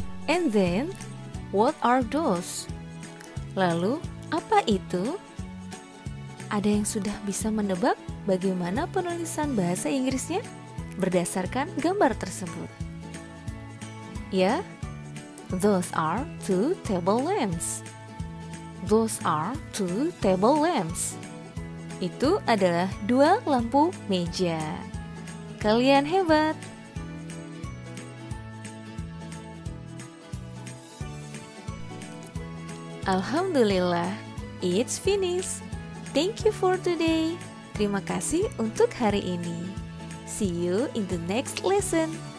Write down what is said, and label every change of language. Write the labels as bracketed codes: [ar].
[en] And then, what are those? [id] Lalu, apa itu? Ada yang sudah bisa menebak bagaimana penulisan bahasa Inggrisnya berdasarkan gambar tersebut? [en] Ya, those are 2 table lamps. Those are 2 table lamps. [id] Itu adalah 2 lampu meja. Kalian hebat! [en] Alhamdulillah, it's finished. Thank you for today. [id] Terima kasih untuk hari ini. [en] See you in the next lesson.